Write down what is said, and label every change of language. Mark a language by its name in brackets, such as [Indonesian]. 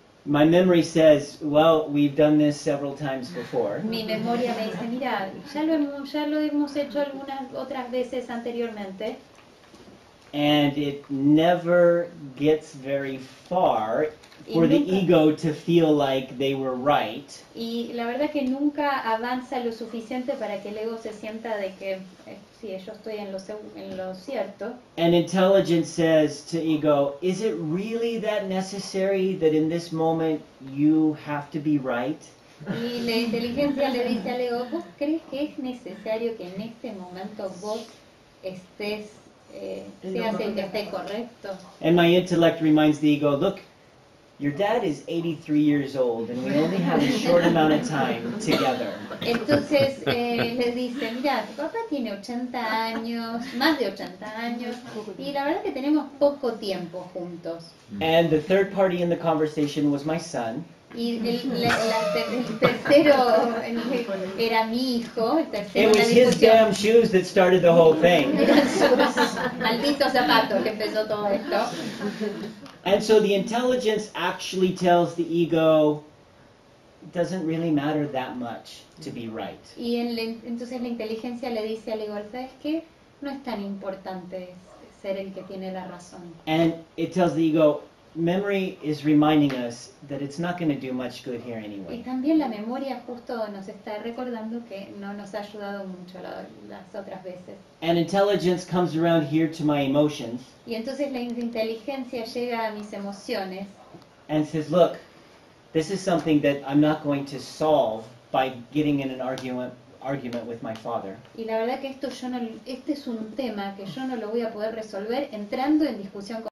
[English] My memory says, well, we've done this several times before. [Spanish] Mi memoria me dice, mira, ya lo hemos hecho algunas otras veces anteriormente. [English] And it never gets very far for the ego to feel like they were right. [Spanish] Y la verdad que nunca avanza lo suficiente para que el ego se sienta de que sí, yo estoy en lo cierto. [English] And intelligence says to ego, is it really that necessary that in this moment you have to be right? [Spanish] Y la inteligencia le dice al ego, ¿vos crees que es necesario que en este momento vos estés, seas el que esté correcto? [English] And my intellect reminds the ego, look, your dad is 83 years old and we only have a short amount of time together. [Spanish] Entonces le dicen, mira, tu papá tiene 80 años, más de 80 años, y la verdad es que tenemos poco tiempo juntos. [English] And the third party in the conversation was my son. [Spanish] Y el tercero era mi hijo. [English] It was his damn shoes that started the whole thing. [Spanish] Malditos zapatos que empezó todo esto. [English] And so the intelligence actually tells the ego, it doesn't really matter that much to be right. [Spanish] Y entonces la inteligencia le dice al ego, ¿sabes qué? No es tan importante ser el que tiene la razón. [English] And it tells the ego, memory is reminding us that it's not going to do much good here anyway. [Spanish] Y también la memoria justo nos está recordando que no nos ha ayudado mucho las otras veces. [English] And intelligence comes around here to my emotions. [Spanish] Y entonces la inteligencia llega a mis emociones. [English] And says, look, this is something that I'm not going to solve by getting in an argument with my father. [Spanish] Y la verdad que esto yo no, este es un tema que yo no lo voy a poder resolver entrando en discusión con